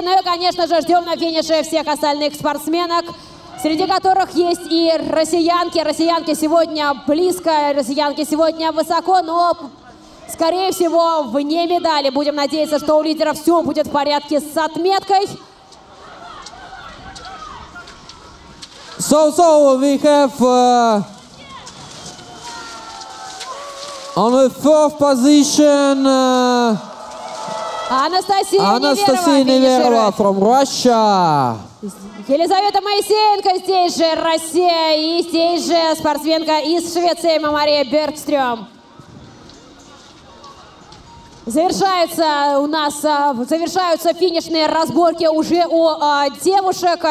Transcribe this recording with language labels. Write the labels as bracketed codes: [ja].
[ru] Ну и, конечно же, ждем на финише всех остальных спортсменок, среди которых есть и россиянки. Россиянки сегодня близко, россиянки сегодня высоко, но, скорее всего, вне медали. Будем надеяться, что у лидеров все будет в порядке с отметкой. [en] So we have on the fourth position [ru] Анастасия [en] Неверова from Russia. [ru] Елизавета Моисеенко здесь же, Россия, и здесь же спортсменка из Швеции Мария Бергстрём. Завершается у нас, завершаются финишные разборки уже у девушек.